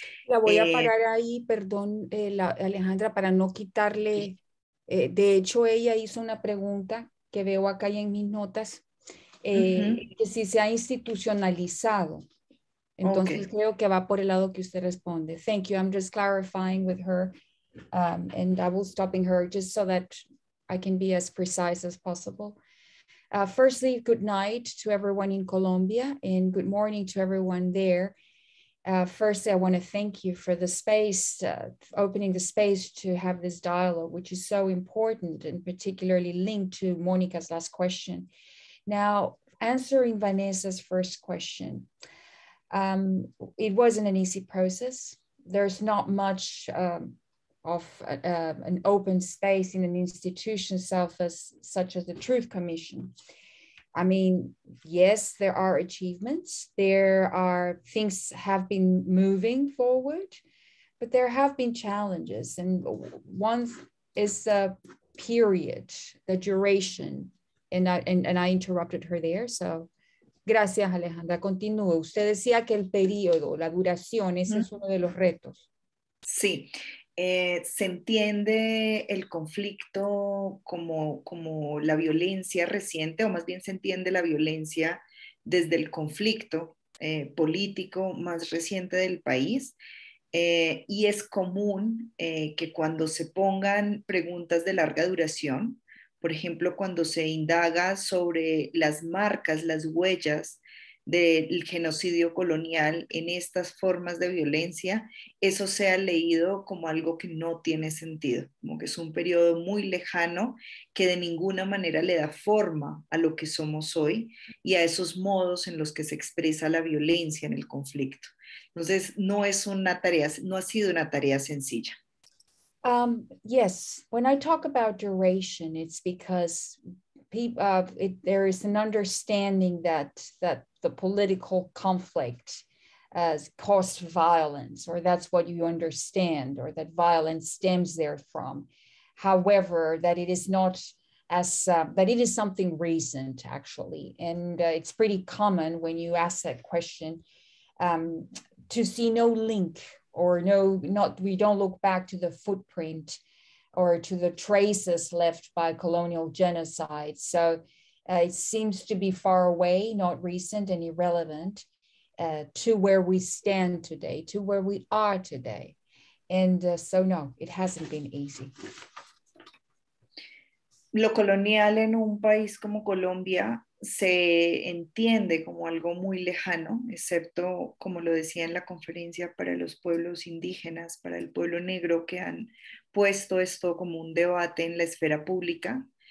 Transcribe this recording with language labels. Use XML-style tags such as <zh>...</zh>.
<es>La voy a parar ahí, perdón, Alejandra, para no quitarle. De hecho, ella hizo una pregunta que veo acá en mis notas, que si se ha institucionalizado. Entonces, okay. Creo que va por el lado que usted responde.</es> <en>Thank you. I'm just clarifying with her, and I will stop her just so that I can be as precise as possible. Firstly, good night to everyone in Colombia and good morning to everyone there. Firstly, I want to thank you for the space, opening the space to have this dialogue, which is so important and particularly linked to Monica's last question. Now, answering Vanessa's first question, it wasn't an easy process. There's not much an open space in an institution such as the Truth Commission. I mean, yes, there are achievements. There are things have been moving forward, but there have been challenges. And one is the period, the duration, and I interrupted her there, so.</en> <es>Gracias, Alejandra. Continúe. Usted decía que el periodo, la duración, ese es uno de los retos. Sí. Se entiende el conflicto como la violencia reciente, o más bien se entiende la violencia desde el conflicto político más reciente del país. Y es común que cuando se pongan preguntas de larga duración, por ejemplo, cuando se indaga sobre las marcas, las huellas del genocidio colonial en estas formas de violencia, eso sea leído como algo que no tiene sentido, como que es un periodo muy lejano que de ninguna manera le da forma a lo que somos hoy y a esos modos en los que se expresa la violencia en el conflicto. Entonces, no ha sido una tarea sencilla.</es> <en>Yes, when I talk about duration, it's because there is an understanding that the political conflict has caused violence, or that's what you understand, or that violence stems therefrom. However, that it is not that it is something recent, actually. And it's pretty common when you ask that question to see no link. Or no, not we don't look back to the footprint or to the traces left by colonial genocide. So it seems to be far away, not recent and irrelevant to where we stand today, to where we are today. And so no, it hasn't been easy.</en> <es>Lo colonial en un país como Colombia se entiende como algo muy lejano, excepto, como lo decía en la conferencia, para los pueblos indígenas, para el pueblo negro, que han puesto esto como un debate en la esfera pública.</es>